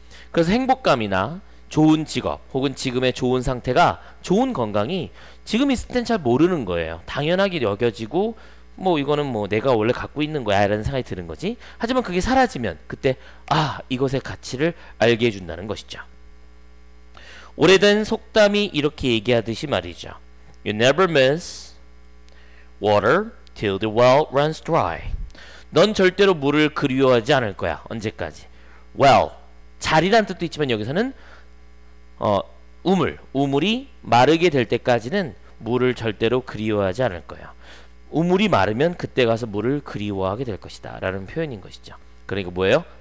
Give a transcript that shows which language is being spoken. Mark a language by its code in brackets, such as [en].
[ko] 그래서 행복감이나 좋은 직업, 혹은 지금의 좋은 상태가, 좋은 건강이 지금 있을 땐잘 모르는 거예요. 당연하게 여겨지고, 뭐 이거는 뭐 내가 원래 갖고 있는 거야 라는 생각이 드는 거지. 하지만 그게 사라지면 그때, 아, 이것의 가치를 알게 해준다는 것이죠. 오래된 속담이 이렇게 얘기하듯이 말이죠. [en] You never miss water till the well runs dry. [ko] 넌 절대로 물을 그리워하지 않을 거야. 언제까지? Well, 자리란 뜻도 있지만 여기서는 우물이 마르게 될 때까지는 물을 절대로 그리워하지 않을 거야. 우물이 마르면 그때 가서 물을 그리워하게 될 것이다 라는 표현인 것이죠. 그러니까 뭐예요?